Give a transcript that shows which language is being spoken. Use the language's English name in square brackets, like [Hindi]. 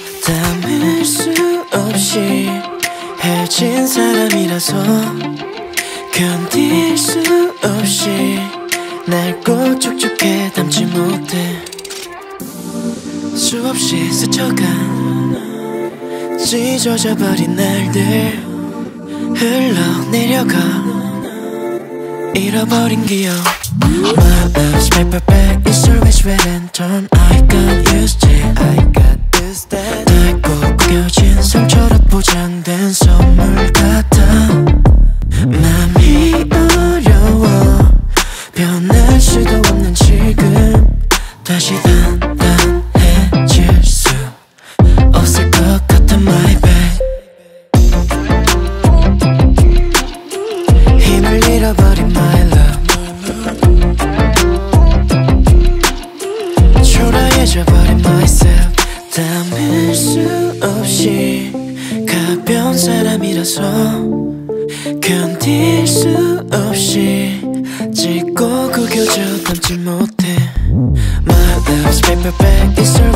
[Korean] 담을 수 없이 해진 사람이라서 견딜 수 없이 낡고 축축해 담지 못해. 수없이 스쳐간 찢어져버린 날들 흘러내려가 잃어버린 기억. [English] My love's paper bag is always red and torn. I got used to it. I got used to it. [Korean] 닳고 구겨진 상처로 포장된 선물 같아. 맘이 어려워 변할 수도 없는 지금 다시 단단해질 수 없을 것 같아. [English] My bag [Korean] 힘을 잃어버린 [English] my love. [Korean] 잊어버린 [English] myself. [Korean] 담을 수 없이 가벼운 사람이라서. 있어 견딜 수 없이 찍고 구겨져 담지 못해 [English] My love's paper bag is